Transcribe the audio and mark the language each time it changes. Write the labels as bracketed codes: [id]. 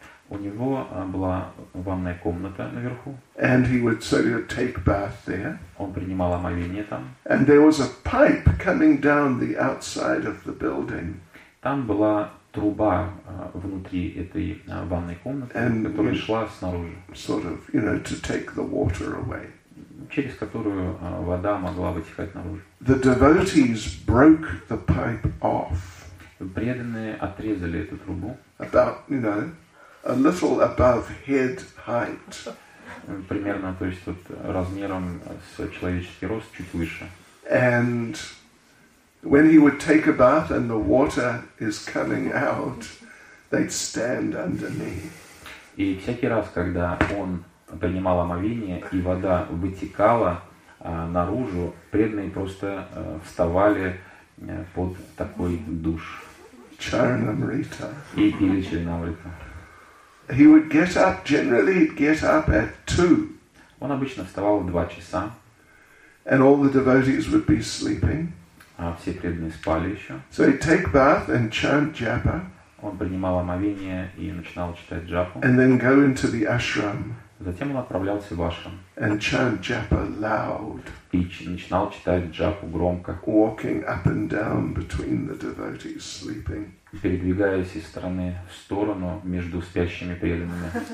[ru] У него была ванная комната наверху. [en] And he would sort of take bath there. [ru] Он принимал омовение там. [en] And there was a pipe coming down the outside of the building. [ru] Там была труба внутри этой ванной комнаты, [en] and [ru] которая шла снаружи. [en] Sort of, you know, to take the water away. [ru] Через которую вода могла вытекать наружу. [en] The devotees broke the pipe off. [ru] Преданные отрезали эту трубу. [en] About, you know, a little above head height. [ru] Примерно, то есть вот размером с человеческий рост чуть выше. [en] And when he would take a bath and the water is coming out, they'd stand underneath. [ru] И всякий раз, когда он принимал омовение и вода вытекала наружу, преданные просто вставали под такой душ. Чаранамрита. И пили Чаранамрита. [en] He would get up, generally he'd get up at 2. [ru] Он обычно вставал в 2 часа. [en] And all the devotees would be sleeping. [ru] А все преданные спали еще. [en] So he'd take bath and chant japa. [ru] Он принимал омовение и начинал читать джапу. [en] And then go into the ashram. [ru] Затем он отправлялся в ашрам. [en] And chant japa loud. [ru] И начинал читать джапу громко. [en] Walking up and down between the devotees sleeping. [ru] Передвигаясь из стороны в сторону между спящими преданными.